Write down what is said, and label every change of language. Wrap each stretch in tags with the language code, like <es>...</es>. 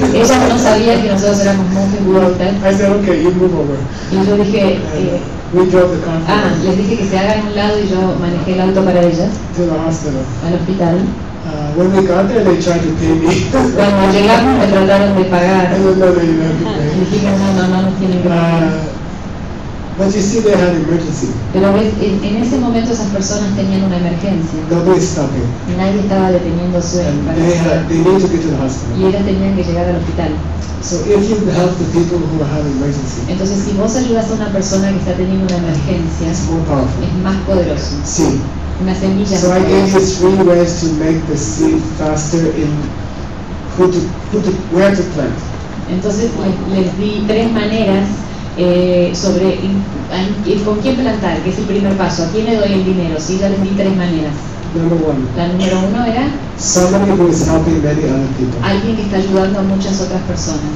<es>Ellas no sabían que nosotros éramos monjes budistas.</es> <en>I said, okay, you move over.</en> <es>Y yo dije,</es> <en>we drove the car.</en> <es>Ah, les dije que se hagan un lado y yo manejé el auto para ellas.</es> <en>To the hospital.</en> <es>Al hospital.</es> <en>When we got there, they tried to pay me.</en> <es>Cuando llegamos, me trataron de pagar.</es> <en>I don't know that you have</en> <es>tienen que pagar.</es> <en>But you see, they had emergency.</en> <es>Pero ves, en ese momento esas personas tenían una emergencia.</es> <en>Nobody stopping.</en> <es>Nadie estaba deteniéndose.</es> <en>They need to get to the hospital.</en> <es>Y ellas tenían que llegar al hospital.</es> <en>So if you help the people who have emergency.</en> <es>Entonces, si vos ayudas a una persona que está teniendo una emergencia,</es> <en>it's more powerful.</en> <es>Es más poderoso. Sí. Una semilla.</es> <en>So I gave you 3 ways to make the seed faster in where to plant.</en> <es>Entonces les di 3 maneras sobre con quién plantar, que es el primer paso. ¿A quién le doy el dinero? Sí, ya les di 3 maneras.</es> <en>Number one.</en> <es>La número uno era.</es> <en>Somebody who is helping many other people.</en> <es>Alguien que está ayudando a muchas otras personas.</es>